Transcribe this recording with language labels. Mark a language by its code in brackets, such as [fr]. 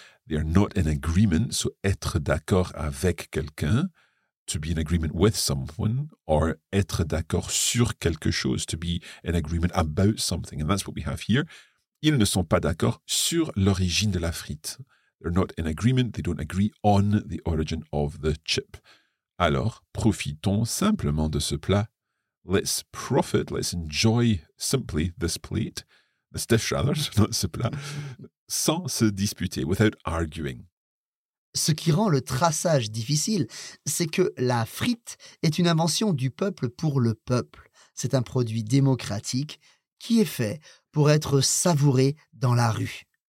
[en] They are not in agreement. So, [fr] être d'accord avec quelqu'un, [en] to be in agreement with someone, or [fr] être d'accord sur quelque chose, [en] to be in agreement about something. And that's what we have here. [fr] Ils ne sont pas d'accord sur l'origine de la frite. [en] They're not in agreement. They don't agree on the origin of the chip. [fr] Alors, profitons simplement de ce plat. [en] Let's profit, let's enjoy simply this plate, this dish rather, not ce plat, [fr] sans se disputer, [en] without arguing. [fr] Ce qui rend le traçage difficile, c'est que la frite est une invention du peuple pour le peuple. C'est un produit démocratique qui est fait pour être savouré dans la rue.